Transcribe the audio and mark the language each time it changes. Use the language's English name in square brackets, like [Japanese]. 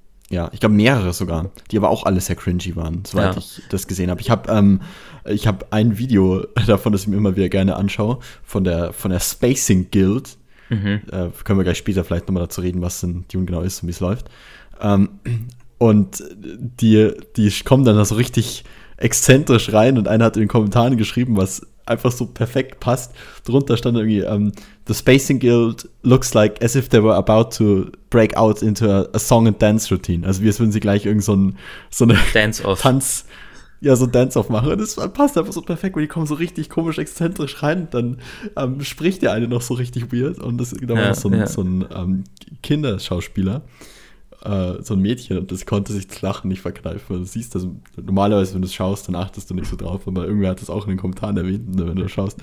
[German] Ja, ich glaube mehrere sogar, die aber auch alle sehr cringy waren, soweit ich das gesehen habe. Ich habe hab ein Video davon, das ich mir immer wieder gerne anschaue, von der Spacing Guild. Mhm. Können wir gleich später vielleicht nochmal dazu reden, was denn Dune genau ist und wie es läuft. Und die kommen dann da so richtig exzentrisch rein und einer hat in den Kommentaren geschrieben, was einfach so perfekt passt. Drunter stand irgendwie, [English] The Spacing Guild looks like as if they were about to break out into a song and dance routine. [German] Also wie als würden sie gleich irgend so ein Dance-off machen. Das passt einfach so perfekt, weil die kommen so richtig komisch exzentrisch rein und dann spricht der eine noch so richtig weird und das ist genau so ein Kinderschauspieler. So ein Mädchen und das konnte sich das Lachen nicht verkneifen. Du siehst das, normalerweise, wenn du es schaust, dann achtest du nicht so drauf, aber irgendwer hat das auch in den Kommentaren erwähnt, wenn du schaust,